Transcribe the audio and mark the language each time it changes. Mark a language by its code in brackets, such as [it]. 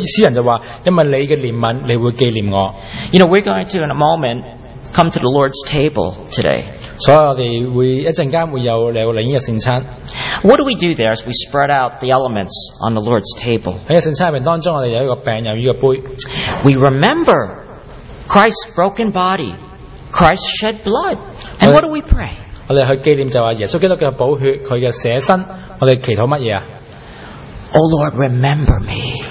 [zh] 所以说，诗人就说，因为你的怜悯，你会纪念我。 [en] You know, we're going to, in a moment, come to the Lord's table today. [zh] 所以我们会一阵间会有领圣餐。 [en] What do we do there as we spread out the elements on the Lord's table? [zh] 在圣餐里面当中，我们有一个饼，有一个杯。 [en] We remember Christ's broken body, Christ shed blood. And what do we pray? [zh] 我们去纪念就说耶稣基督的宝血，祂的舍身，我们祈祷什么？ [en] O Lord, remember me.